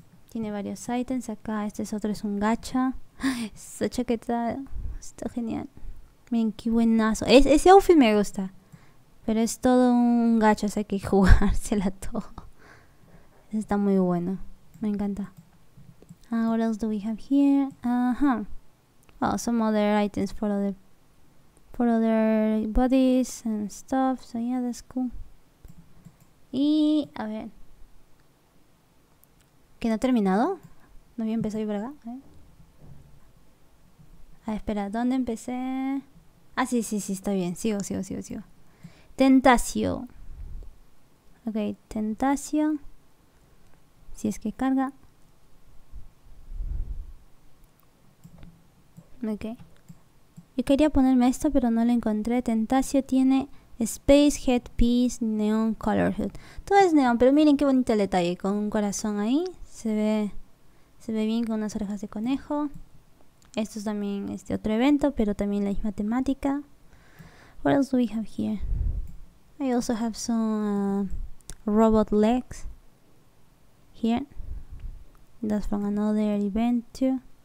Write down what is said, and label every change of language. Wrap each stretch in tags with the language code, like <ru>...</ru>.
<es>Tiene varios items acá. Este es otro, es un gacha. Esta chaqueta está genial. Miren, qué buenazo. Ese outfit me gusta. Pero es todo un gacha, o sea, hay que jugársela todo. Está muy bueno. Me encanta.</es> <en>What else do we have here? Oh, some other items for other bodies and stuff. So yeah, that's cool.</en> <es>Y a ver. ¿Que no ha terminado? No había empezado yo por acá. A ver, espera, ¿dónde empecé? Ah, sí, está bien. Sigo. Tentacio. Ok, Tentacio. Si es que carga. Ok. Yo quería ponerme esto, pero no lo encontré. Tentacio tiene. Space Headpiece Neon Color Hood. Todo es neón, pero miren qué bonito el detalle. Con un corazón ahí. Se ve bien con unas orejas de conejo. Esto es también este otro evento, pero también la misma temática.</es> <en>What else do we have here? I also have some robot legs. Here. That's from another event too.</en>